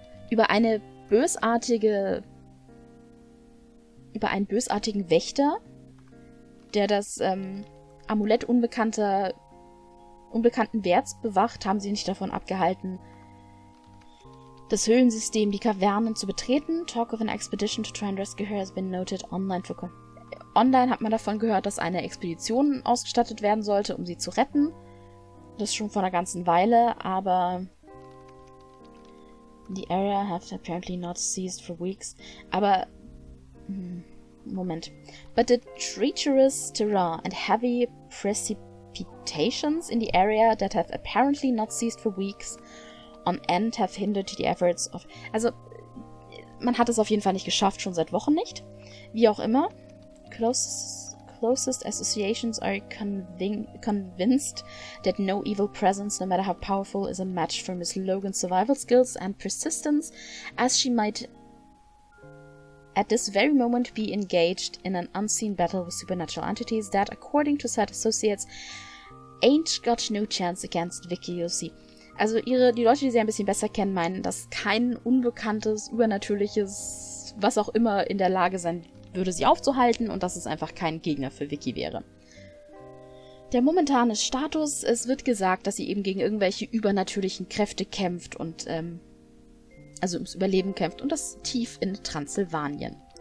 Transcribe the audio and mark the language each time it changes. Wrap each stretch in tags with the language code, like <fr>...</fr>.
<de>Über einen bösartigen Wächter, der das Amulett unbekannten Werts bewacht, haben sie nicht davon abgehalten, das Höhlensystem, die Kavernen zu betreten.</de> <en>Talk of an expedition to try and rescue her has been noted online.</en> <de>Online hat man davon gehört, dass eine Expedition ausgestattet werden sollte, um sie zu retten. Das ist schon vor einer ganzen Weile, aber</de> <en>the area has apparently not ceased for weeks.</en> <de>Aber Moment.</de> <en>But the treacherous terrain and heavy precipitations in the area that have apparently not ceased for weeks on end have hindered the efforts of...</en> <de>Also, man hat es auf jeden Fall nicht geschafft, schon seit Wochen nicht. Wie auch immer.</de> <en>Closest associations are convinced that no evil presence, no matter how powerful, is a match for Miss Logan's survival skills and persistence, as she might at this very moment be engaged in an unseen battle with supernatural entities that, according to said associates, ain't got no chance against Vicky, you'll see.</en> <de>Also die Leute, die sie ein bisschen besser kennen, meinen, dass kein unbekanntes, übernatürliches, was auch immer in der Lage sein würde, sie aufzuhalten und dass es einfach kein Gegner für Vicky wäre. Der momentane Status, es wird gesagt, dass sie eben gegen irgendwelche übernatürlichen Kräfte kämpft und also ums Überleben kämpft und das tief in Transsilvanien.</de>